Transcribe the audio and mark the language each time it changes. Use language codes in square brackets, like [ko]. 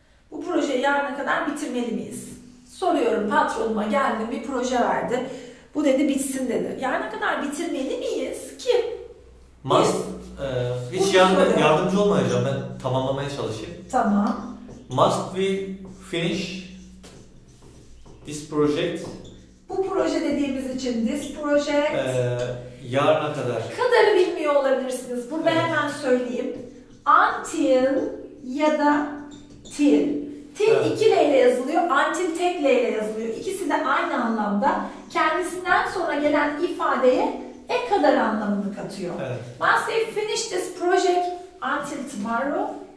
[tr] Bu projeyi yarına kadar bitirmeli miyiz? Soruyorum patronuma, geldim bir proje verdi. Bu dedi bitsin dedi. Yarına kadar bitirmeli miyiz? Kim? [en] Must. [tr] Hiç yardımcı olmayacağım. Ben tamamlamaya çalışayım. Tamam. [en] Must we finish this project? [tr] Bu proje dediğimiz için [en] this project... [tr] Yarına kadar. Kadarı bilmiyor olabilirsiniz. Bunu ben hemen söyleyeyim. Until ya da till. Till evet. İki L ile yazılıyor. Until tek L ile yazılıyor. İkisi de aynı anlamda. Kendisinden sonra gelen ifadeye e kadar anlamını katıyor. Evet. [en] Must we finish this project until tomorrow?